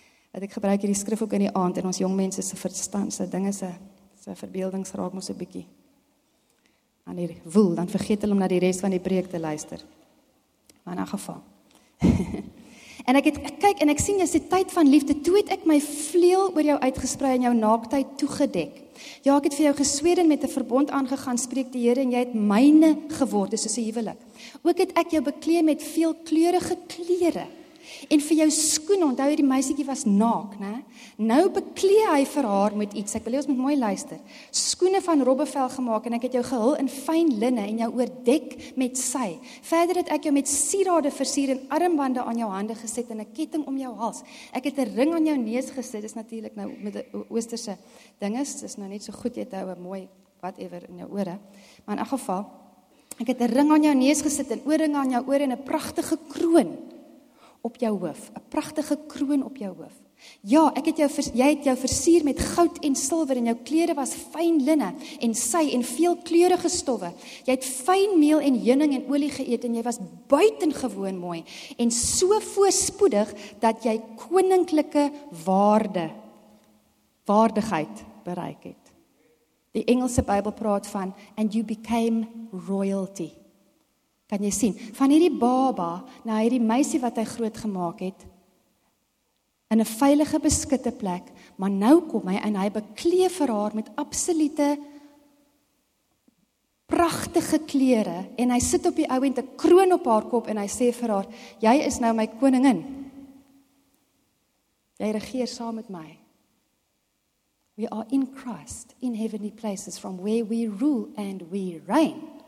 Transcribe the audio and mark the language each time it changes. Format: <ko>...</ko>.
<af>Dat ek gebruik hierdie skrif ook in die aand, en ons jongmense se verstand, se dinge, se verbeeldings raak moes 'n bietjie aan die woel, dan vergeet hulle om na die rest van die preek te luister. Maar in 'n geval. En ek het kyk en ek sien jy is die tyd van liefde, toe het ek my vleel oor jou uitgesprei en jou naaktheid toegedek. Ja, ek het vir jou gesweer en met 'n verbond aangegaan, spreek die Here, en jy het myne geword, dis soos 'n huwelik. Ook het ek jou bekleed met veel kleurige klere. En vir jou skoene, onthou hierdie meisietjie was naak, né? Nou beklee hy vir haar met iets. Ek wil jy ons met mooi luister. Skoene van robbevel gemaak en ek het jou gehul in fyn linne en jou oordek met sy. Verder het ek jou met sierade versier en armbande aan jou hande gesit en 'n ketting om jou hals. Ek het 'n ring aan jou neus gesit. Dis natuurlik nou met 'n oosterse dinges. Dis nou net so goed jy hou 'n mooi whatever in jou ore. Maar in 'n geval, ek het 'n ring aan jou neus gesit en ooringe aan jou ore en 'n pragtige kroon op jou hoof, 'n pragtige kroon op jou hoof. Ja, ek het jou versier met goud en silwer en jou klere was fyn linne en sy en veel kleurige stowwe. Jy het fyn meel en heuning en olie geëet en jy was buitengewoon mooi en so voorspoedig dat jy koninklike waardigheid bereik het. Die Engelse Bybel praat van,</af> <en>and you became royalty.</en> <af>Kan jy sien? Van hierdie baba, na hierdie meisie wat hy groot gemaak het, in 'n veilige beskutte plek, maar nou kom hy en hy beklee vir haar met absolute pragtige klere en hy sit op die ouend 'n kroon op haar kop en hy sê vir haar, jy is nou my koningin. Jy regeer saam met my.</af> <en>We are in Christ, in heavenly places, from where we rule and we reign.</en>